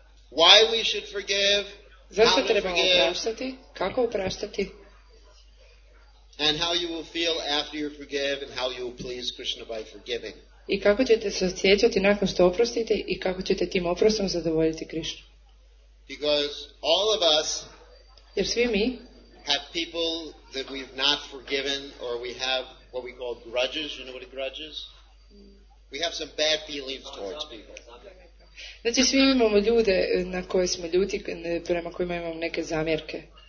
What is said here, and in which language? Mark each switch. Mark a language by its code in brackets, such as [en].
[en] Why we should forgive? [hr] Zašto trebamo opraštati? Kako opraštati? [en] And how you will feel after you forgive and how you will please Krishna by forgiving. [hr] I kako ćete se osjećati nakon što oprostite i kako ćete tim oprostom zadovoljiti Krishnu? [en] Because all of us, [hr] jer svi mi, [en] have people that we've not forgiven, or we have what we call grudges. You know what a grudge is? We have some bad feelings towards people. [hr] Znači, svi imamo ljude na koje smo ljuti, prema kojima imamo neke zamjerke.